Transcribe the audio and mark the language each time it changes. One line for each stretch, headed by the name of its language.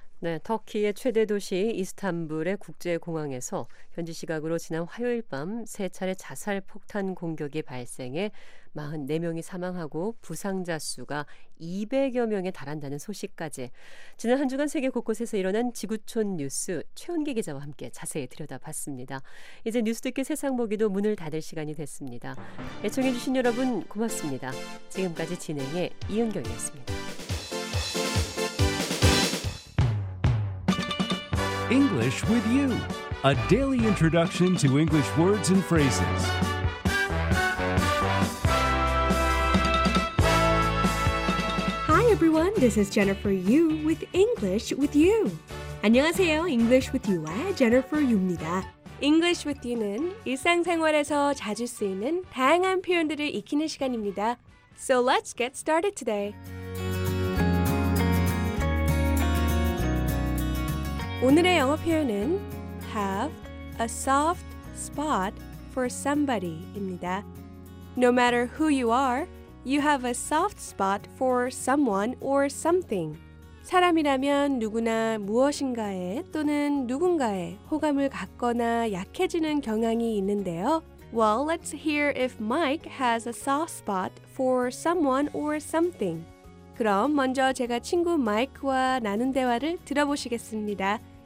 Korean: 네, 터키의 최대 도시 이스탄불의 국제공항에서 현지 시각으로 지난 화요일 밤 세 차례 자살 폭탄 공격이 발생해 44명이 사망하고 부상자 수가 200여 명에 달한다는 소식까지 지난 한 주간 세계 곳곳에서 일어난 지구촌 뉴스 최은기 기자와 함께 자세히 들여다봤습니다. 이제 뉴스 듣기 세상 보기도 문을 닫을 시간이 됐습니다. 애청해주신 여러분 고맙습니다. 지금까지 진행해 이은경이었습니다.
English: English with you, a daily introduction to English words and phrases. Hi everyone, this is Jennifer Yu with English with you.
Korean: 안녕하세요, English with you와 Jennifer Yu입니다. English with you는 일상생활에서 자주 쓰이는 다양한 표현들을 익히는 시간입니다.
English: So let's get started today.
Korean: 오늘의 영어 표현은
English: have a soft spot for somebody
Korean: 입니다.
English: No matter who you are, you have a soft spot for someone or something.
Korean: 사람이라면 누구나 무엇인가에 또는 누군가에 호감을 갖거나 약해지는 경향이 있는데요.
English: Well, let's hear if Mike has a soft spot for someone or something.
Korean: 그럼 먼저 제가 친구 마이크와 나눈 대화를 들어보시겠습니다.